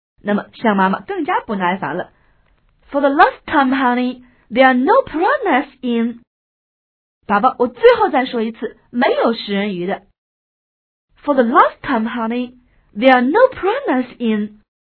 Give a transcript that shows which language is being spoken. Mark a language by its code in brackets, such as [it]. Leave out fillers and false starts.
[zh] 那么象妈妈更加不耐烦了 [en] For the last time, honey, there are no piranhas in. [zh] 宝宝，我最后再说一次，没有食人鱼的。 [en] For the last time, honey, there are no piranhas in.